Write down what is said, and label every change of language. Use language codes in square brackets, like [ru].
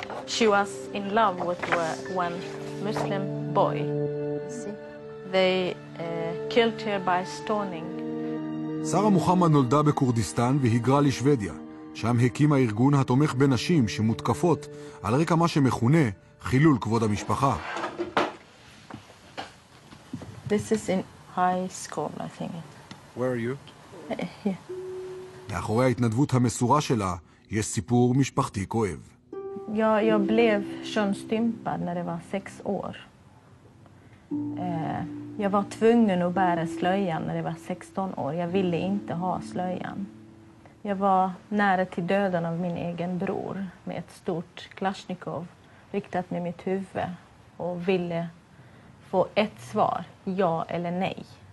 [en] She was in love with one Muslim boy. They killed her by stoning. [he] שרה מוחמד נולדה בקורדיסטן והיגרה לשוודיה, שם הקימה ארגון התומך בנשים שמותקפות על רקע מה שמכונה חילול כבוד המשפחה. [en] This is in high school, I think. Where are you? Here. [he] מאחורי ההתנדבות המסורה שלה יש סיפור משפחתי כואב. [sv] Jag blev könsstympad när det var 6 år. Jag var tvungen att bära slöjan när jag var 16 år. Jag ville inte ha slöjan. Jag var nära till döden av min egen bror med ett stort Kalashnikov riktat med mitt huvud och ville få ett svar, ja eller nej.